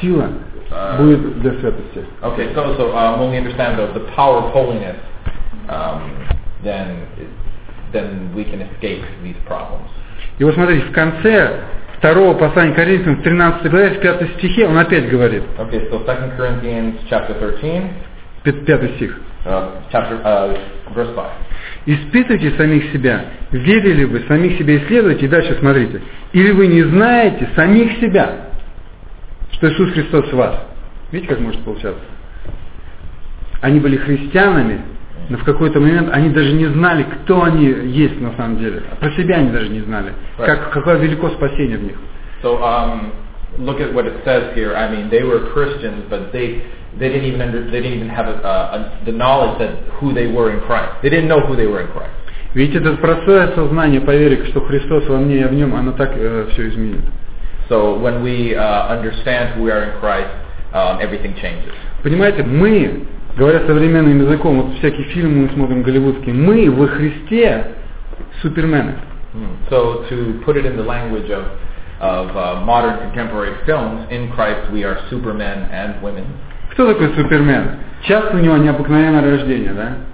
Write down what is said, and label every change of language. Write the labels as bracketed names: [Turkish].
[Russian] Сила будет для святости. [English] Okay, so when we understand the power of holiness, then we can escape these problems. [Russian] И вот смотрите, в конце второго послания Коринфянам, 13 главе, в 5 стихе, он опять говорит. [English] Okay, so 2 Corinthians chapter 13. [Russian] 5 стих. [English] Verse 5. [Russian] Испытывайте самих себя, верили ли вы, самих себя исследуйте, и дальше смотрите. Или вы не знаете самих себя, что Иисус Христос в вас. Видите, как может получаться? Они были христианами, но в какой-то момент они даже не знали, кто они есть на самом деле. Про себя они даже не знали. [English] Right. [Russian] Какое велико спасение в них. [English] So, look at what it says here. I mean, they were Christians, but they didn't even have the knowledge that who they were in Christ. They didn't know who they were in Christ. [Russian] Видите, это простое сознание поверить, что Христос во мне и в нем, оно так все изменит. [English] So when we understand who we are in Christ, everything changes. [Russian] Понимаете, мы, говоря современным языком, вот всякие фильмы мы смотрим голливудские, мы во Христе супермены. [English] So to put it in the language of modern contemporary films, in Christ we are supermen and women. [Russian] Кто такой Супермен? Часто у него необыкновенное рождение, да?